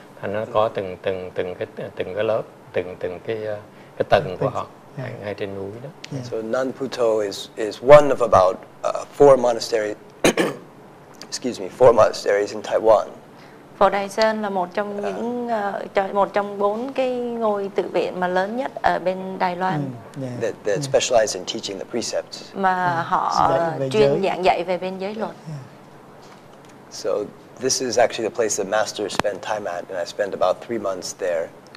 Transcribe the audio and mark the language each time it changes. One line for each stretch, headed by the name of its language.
Vietnamese: And nó có từng cái lớp, từng cái tầng của họ ngay trên núi đó.
English: So Nan Pu To is one of about four monasteries. Excuse me, four monasteries in Taiwan.
Vietnamese: Phổ Đài Sơn là một trong một trong bốn cái ngôi tự viện mà lớn nhất ở bên Đài Loan.
English: That specialize in teaching the precepts.
Vietnamese: Mà họ chuyên giảng dạy về bên giới luật.
English: So this is actually the place the master spent time at, and I spent about 3 months there.